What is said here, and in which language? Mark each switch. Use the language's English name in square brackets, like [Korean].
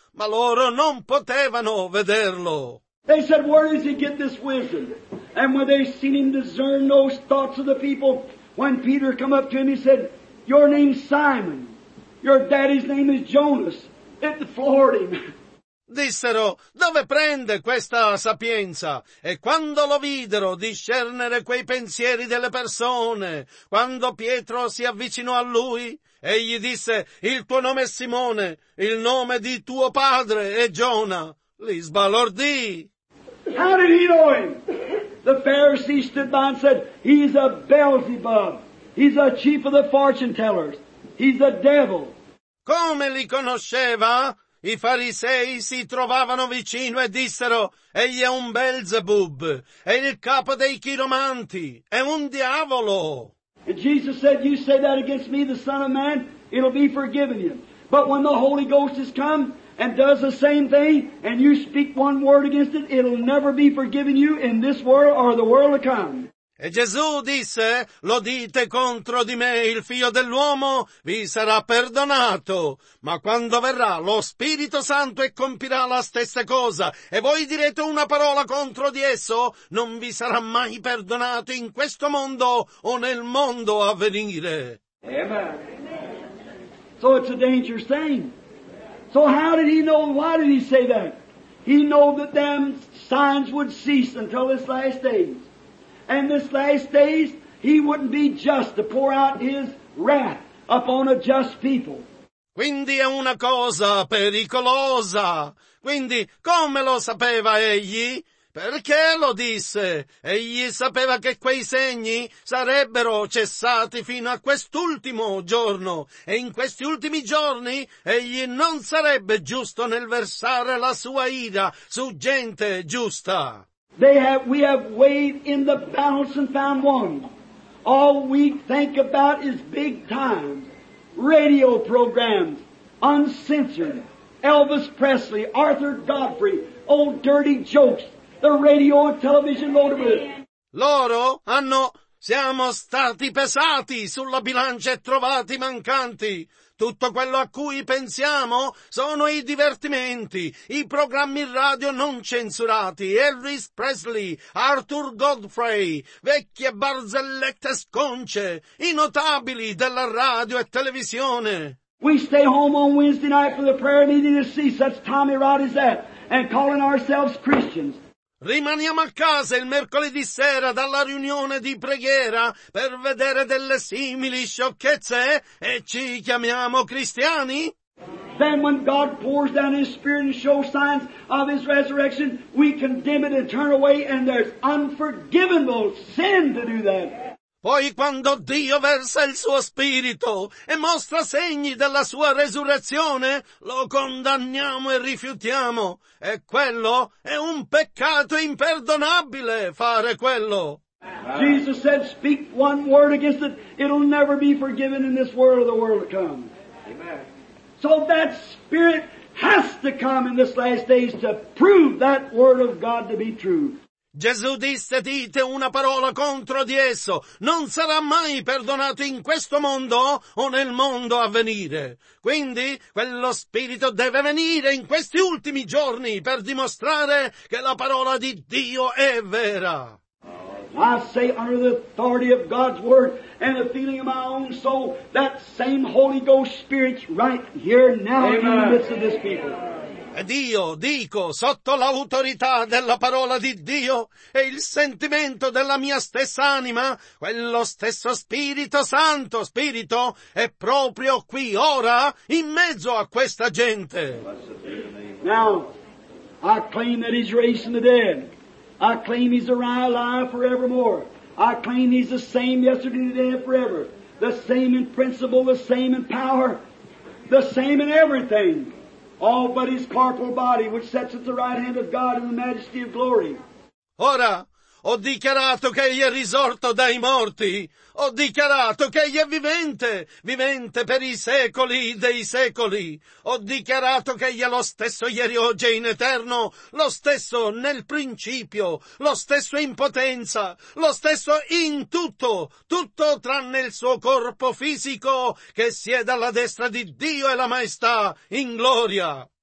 [Italian] Ma loro non potevano vederlo. [English] They said, where does he get this wisdom? And when they seen him discern those thoughts of the people, when Peter come up to him, he said, your name's Simon. Your daddy's name is Jonas. It floored him. [Italian] Dissero, dove prende questa sapienza? E quando lo videro discernere quei pensieri delle persone, quando Pietro si avvicinò a lui, egli disse, il tuo nome è Simone, il nome di tuo padre è Giona. Li sbalordì. [English] How did he know him? The Pharisees stood by and said, he's a Beelzebub. He's a chief of the fortune tellers. He's a devil. [Italian] Come li conosceva? I farisei si trovavano vicino e dissero, egli è un Beelzebub, è il capo dei chiromanti, è un diavolo. [English] And Jesus said, you say that against me, the Son of Man, it'll be forgiven you. But when the Holy Ghost has come and does the same thing, and you speak one word against it, it'll never be forgiven you in this world or the world to come. [Italian] E Gesù disse, lo dite contro di me, il figlio dell'uomo vi sarà perdonato, ma quando verrà lo Spirito Santo e compirà la stessa cosa, e voi direte una parola contro di esso, non vi sarà mai perdonato in questo mondo o nel mondo a venire. [English] Amen. So it's a dangerous thing. So how did he know, why did he say that? He knew that them signs would cease until this last day. And this last days, he wouldn't be just to pour out his wrath upon a just people. [Italian] Quindi è una cosa pericolosa. Quindi come lo sapeva egli? Perché lo disse? Egli sapeva che quei segni sarebbero cessati fino a quest'ultimo giorno. E in questi ultimi giorni egli non sarebbe giusto nel versare la sua ira su gente giusta. [English] We have weighed in the balance and found one. All we think about is big time. Radio programs, uncensored. Elvis Presley, Arthur Godfrey, old dirty jokes, the radio and television loaded with. [Italian] Loro hanno, siamo stati pesati sulla bilancia e trovati mancanti. Tutto quello a cui pensiamo sono i divertimenti, i programmi radio non censurati, Elvis Presley, Arthur Godfrey, vecchie barzellette sconce, i notabili della radio e televisione. [English] We stay home on Wednesday night for the prayer meeting to see such Tommy Rod as that, and calling ourselves Christians. [Italian] Rimaniamo a casa il mercoledì sera dalla riunione di preghiera per vedere delle simili sciocchezze e ci chiamiamo cristiani? [English] Then when God pours down His Spirit and shows signs of His resurrection, we condemn it and turn away, and there's unforgivable sin to do that. [Italian] Poi quando Dio versa il suo spirito e mostra segni della sua resurrezione, lo condanniamo e rifiutiamo. E quello è un peccato imperdonabile, fare quello. [English] Jesus said, speak one word against it, it'll never be forgiven in this world or the world to come. Amen. So that spirit has to come in this last days to prove that word of God to be true. [Italian] Gesù disse, dite una parola contro di esso, non sarà mai perdonato in questo mondo o nel mondo a venire. Quindi, quello spirito deve venire in questi ultimi giorni per dimostrare che la parola di Dio è vera. [English] I say under the authority of God's word and the feeling of my own soul, that same Holy Ghost Spirit's right here now. Amen. In the midst of this people. [Italian] Ed io dico, sotto l'autorità della parola di Dio e il sentimento della mia stessa anima, quello stesso Spirito Santo, Spirito, è proprio qui, ora, in mezzo a questa gente. [English] Now, I claim that He's raised from the dead. I claim He's alive forevermore. I claim He's the same yesterday, today, and forever. The same in principle, the same in power, the same in everything. All but His corporal body, which sits at the right hand of God in the majesty of glory. [Italian] Ora, Ho dichiarato che egli è risorto dai morti. Ho dichiarato che egli è vivente, vivente per i secoli dei secoli. Ho dichiarato che egli è lo stesso ieri, oggi e in eterno, lo stesso nel principio, lo stesso in potenza, lo stesso in tutto, tutto tranne il suo corpo fisico che siede alla destra di Dio e la maestà in gloria.